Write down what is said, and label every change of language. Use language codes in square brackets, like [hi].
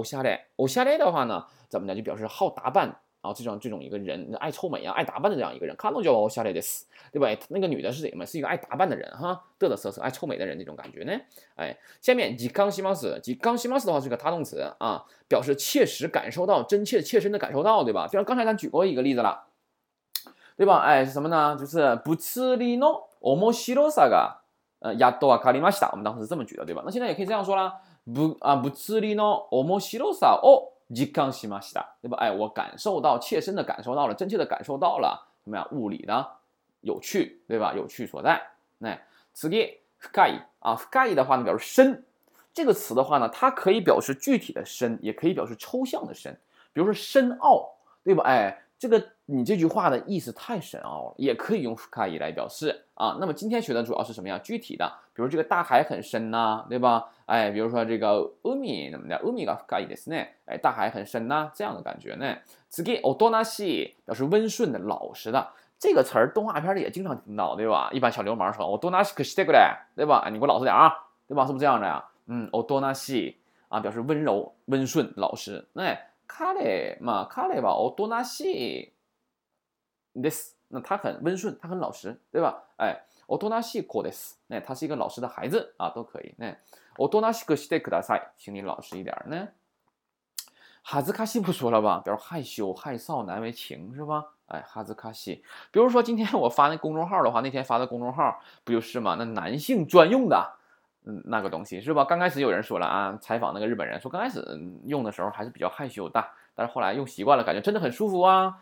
[zh] 欧下雷，欧下雷的话呢，怎么讲？就表示好打扮。然后这种一个人爱臭美啊，爱打扮的这样一个人，看到就欧夏雷的死，对吧？那个女的是什么？是一个爱打扮的人哈，嘚嘚瑟瑟爱臭美的人那种感觉呢。哎，下面吉刚西马斯，吉刚西马斯的话是个他动词啊，表示切实感受到，真切切身的感受到，对吧？就像刚才咱举过一个例子了，对吧？哎，是什么呢？ [ja] 就是物理の面白さがやっとわかりました。 [zh] 我们当时是这么举的，对吧？那现在也可以这样说啦，物理の面白さを実感しました，对吧？哎，我感受到，切身的感受到了，真切的感受到了，怎么样？物理的有趣，对吧？有趣所在。那次，深い啊，深い的话呢，表示深。这个词的话呢，它可以表示具体的深，也可以表示抽象的深。比如说深奥，对吧？哎，这个你这句话的意思太深奥了，也可以用深い来表示啊。那么今天学的主要是什么呀？具体的，比如说这个大海很深呐、对吧？哎，比如说这个海怎么的，海が深いですね。哎，大海很深呐、这样的感觉呢。次，おとなしい表示温顺的、老实的。这个词儿动画片里也经常听到，对吧？一般小流氓说，おとなしくしてくれ，对吧？哎，你给我老实点啊，对吧？是不是这样的呀？嗯，おとなしい啊，表示温柔、温顺、老实。 [ja] 那彼嘛，彼はおとなしいです。 [zh] 那他很温顺，他很老实，对吧？哎，おとなしい子です。那他是一个老实的孩子啊，都可以。那おとなしくしてください，请你老实一点呢。恥ずかしい不说了吧，表示害羞、害臊、难为情，是吧？哎，恥ずかしい。比如说今天我发那公众号的话，那天发的公众号不就是吗？那男性专用的，那个东西是吧？刚开始有人说了啊，采访那个日本人说，刚开始用的时候还是比较害羞的，但是后来用习惯了，感觉真的很舒服啊。